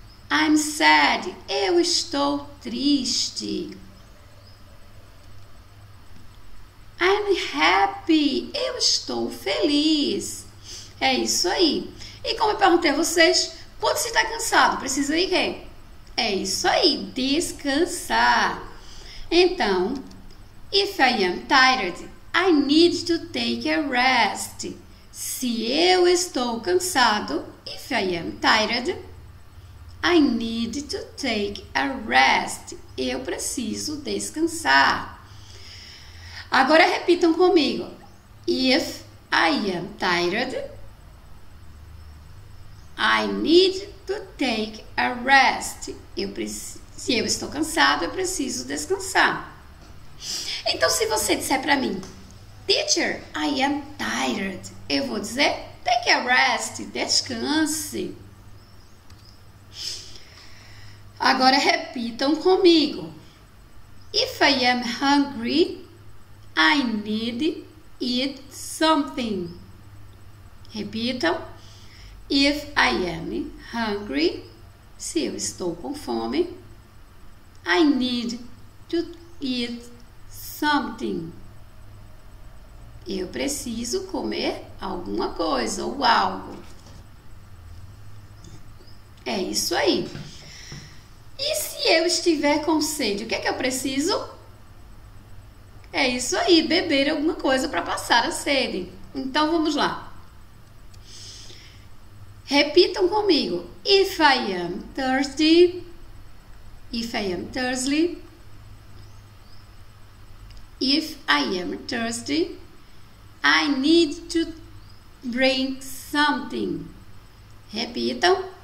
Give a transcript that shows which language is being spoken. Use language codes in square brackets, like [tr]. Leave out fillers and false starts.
[en] I'm sad. [pt] Eu estou triste. [en] I'm happy. [pt] Eu estou feliz. É isso aí. E como eu perguntei a vocês, quando você está cansado, precisa ir quê? É isso aí, descansar. Então, [en] if I am tired, I need to take a rest. [pt] Se eu estou cansado, [en] if I am tired, I need to take a rest. [pt] Eu preciso descansar. Agora repitam comigo. [en] If I am tired, I need to take a rest. [pt] Se eu estou cansado, eu preciso descansar. Então, se você disser para mim: [en] Teacher, I am tired. [pt] Eu vou dizer: [en] take a rest, [pt] descanse. Agora repitam comigo. [en] If I am hungry, I need eat something. [pt] Repitam. [en] If I am hungry, [pt] se eu estou com fome, [en] I need to eat something. [pt] Eu preciso comer alguma coisa ou algo. É isso aí. E se eu estiver com sede, o que é que eu preciso? É isso aí, beber alguma coisa para passar a sede. Então vamos lá. Repitam comigo. [en] If I am thirsty, if I am thirsty, if I am thirsty, I need to bring something. [pt] Repitam.